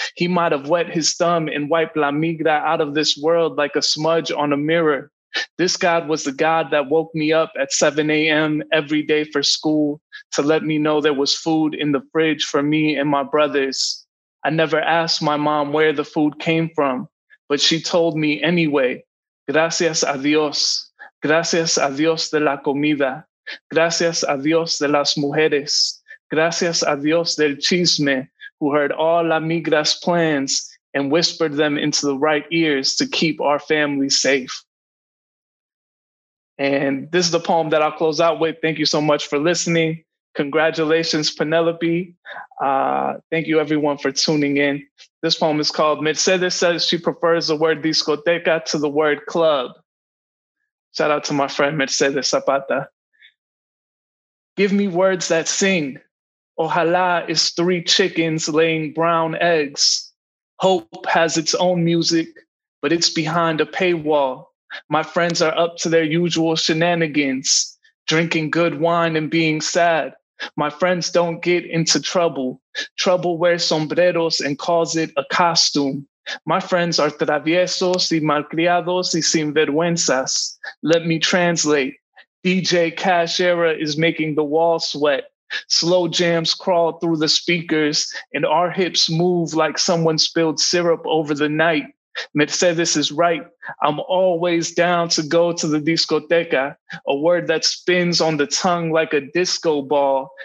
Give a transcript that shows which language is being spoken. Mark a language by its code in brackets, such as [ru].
[en] He might have wet his thumb and wiped La Migra out of this world like a smudge on a mirror. This God was the God that woke me up at 7 a.m. every day for school to let me know there was food in the fridge for me and my brothers. I never asked my mom where the food came from, but she told me anyway. [es] Gracias a Dios. Gracias a Dios de la comida. Gracias a Dios de las mujeres. Gracias a Dios del chisme, [en] who heard all La Migra's plans and whispered them into the right ears to keep our family safe. And this is the poem that I'll close out with. Thank you so much for listening. Congratulations, Penelope. Thank you, everyone, for tuning in. This poem is called Mercedes Says She Prefers the Word Discoteca to the Word Club. Shout out to my friend Mercedes Zapata. Give me words that sing. Ojalá is three chickens laying brown eggs. Hope has its own music, but it's behind a paywall. My friends are up to their usual shenanigans, drinking good wine and being sad. My friends don't get into trouble. Trouble wears sombreros and calls it a costume. My friends are [es] traviesos y malcriados y sinvergüenzas. [en] Let me translate. DJ Cash Era is making the wall sweat. Slow jams crawl through the speakers and our hips move like someone spilled syrup over the night. Mercedes is right. I'm always down to go to the discoteca, a word that spins on the tongue like a disco ball.